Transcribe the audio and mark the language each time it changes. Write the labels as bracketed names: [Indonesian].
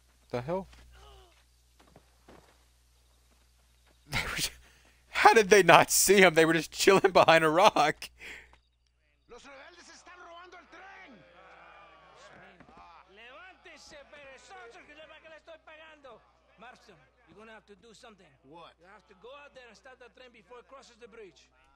[English] The hell? How did they not see him? They were just chilling behind a rock. [Spanish] Los rebeldes están robando el tren. Levántese, perezoso, que yo para qué le estoy pagando. [English] Marston, you're gonna have to do something. What? You have to go out there and stop the train before it crosses the bridge.